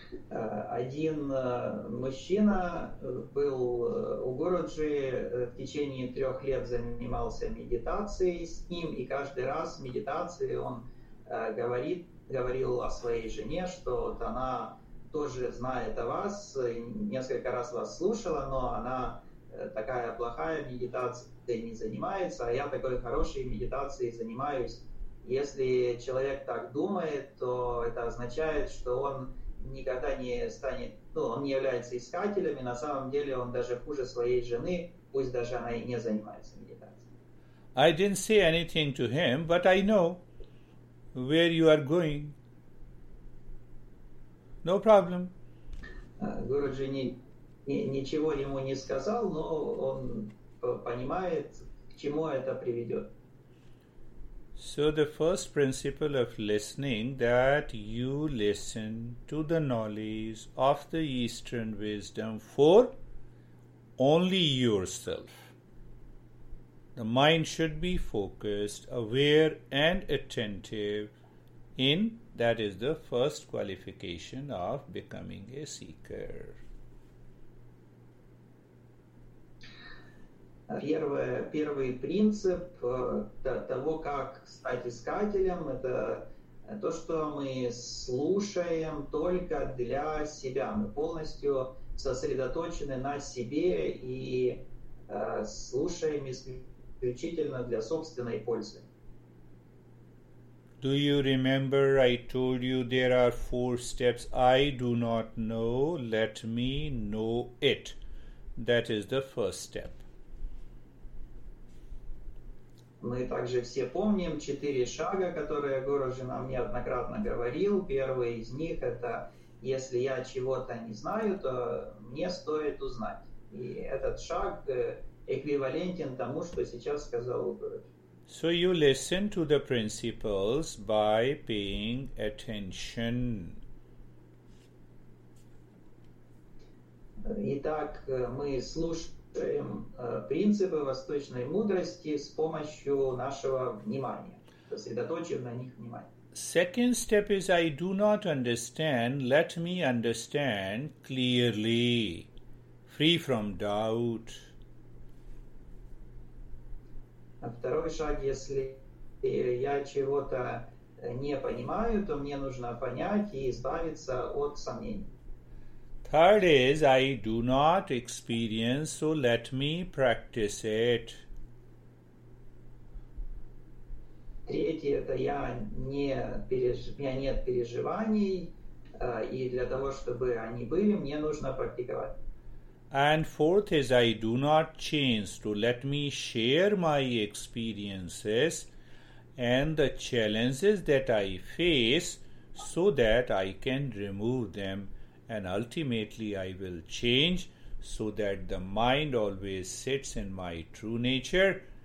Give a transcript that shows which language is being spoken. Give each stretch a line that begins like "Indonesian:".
Russian: Один мужчина был у Гуруджи, в течение 3 лет занимался медитацией с ним, и каждый раз в медитации он говорил о своей жене, что вот она тоже знает о вас, несколько раз вас слушала, но она такая плохая, медитацией не занимается, а я такой хороший, медитацией занимаюсь. Если человек так думает, то это означает, что он никогда не станет, он не является искателем, и на самом деле он даже хуже своей жены, пусть даже она и не занимается медитацией.
English: I didn't say anything to him, but I know where you are going. No problem.
Russian: Гуруджи ничего ему не сказал, но он понимает, к чему это приведет.
English: So the first principle of listening, that you listen to the knowledge of the Eastern wisdom for only yourself. The mind should be focused, aware and attentive in, that is the first qualification of becoming a seeker.
Russian: Первый принцип того, как стать искателем, это то, что мы слушаем только для себя. Мы полностью сосредоточены на себе и слушаем исключительно для собственной пользы.
English: Do you remember I told you there are 4 steps? I do not know, let me know it. That is the first step.
Russian: Мы также все помним 4 шага, которые Гуруджи нам неоднократно говорил. Первый из них – это «если я чего-то не знаю, то мне стоит узнать». И этот шаг эквивалентен тому, что сейчас сказал Гуруджи.
English: So you listen to the principles by paying attention.
Russian: Итак, мы слушаем принципы восточной мудрости с помощью нашего внимания, сосредоточив на них внимание.
English: Second step is I do not understand, let me understand clearly, free from doubt.
Russian: Второй шаг, если я чего-то не понимаю, то мне нужно понять и избавиться от сомнений.
English: Third is, I do not experience, so let me practice it.
Russian: Третье, это у меня нет переживаний, и для того, чтобы они были, мне нужно практиковать.
English: And fourth is, I do not change, so let me share my experiences and the challenges that I face so that I can remove them. And ultimately, I will change so that the mind always sits in my true nature.